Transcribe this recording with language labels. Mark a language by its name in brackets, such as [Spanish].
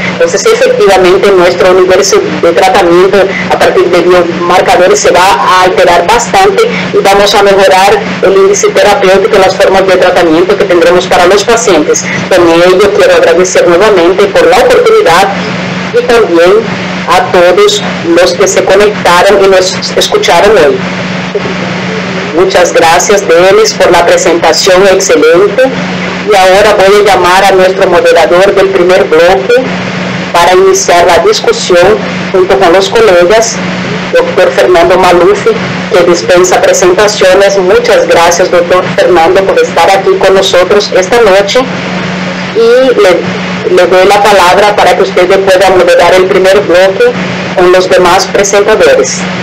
[Portuguese] Então, efetivamente, nosso universo de tratamento a partir de biomarcadores se vai a alterar bastante e vamos a melhorar o índice terapêutico e as formas de tratamento que tendremos para os pacientes. Com isso, quero agradecer novamente por a oportunidade e também a todos os que se conectaram e nos escutaram hoje. [Spanish] Muchas gracias, Denis, por la presentación excelente. Y ahora voy a llamar a nuestro moderador del primer bloque para iniciar la discusión [Portuguese] junto com os colegas, Dr. Fernando Maluf, que dispensa apresentações. Muitas graças, Dr. Fernando, por estar aqui com nós esta noite. E [Spanish] le doy [Portuguese] a palavra para que vocês possam moderar o primeiro bloco com os demais apresentadores.